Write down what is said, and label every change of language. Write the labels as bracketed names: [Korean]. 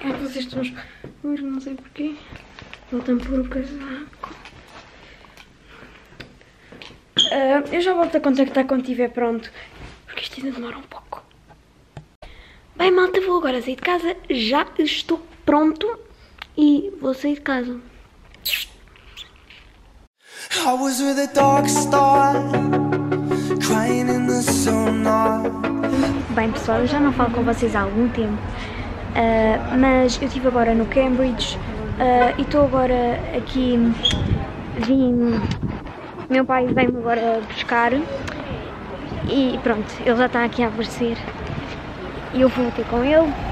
[Portuguese] Ai, vocês estão escuros, não sei porquê. Falta-me pôr o casaco. Eu já volto a contactar quando estiver pronto, porque isto ainda demora um pouco. Bem, malta, vou agora sair de casa. Já estou pronto e vou sair de casa. [English] I was with a dark star, crying in the sonar. [Portuguese] Bem, pessoal, eu já não falo com vocês há algum tempo, mas eu estive agora no Cambridge e estou agora aqui. Vim. Meu pai vem-me agora buscar e pronto, ele já está aqui a aparecer e eu vou ter com ele.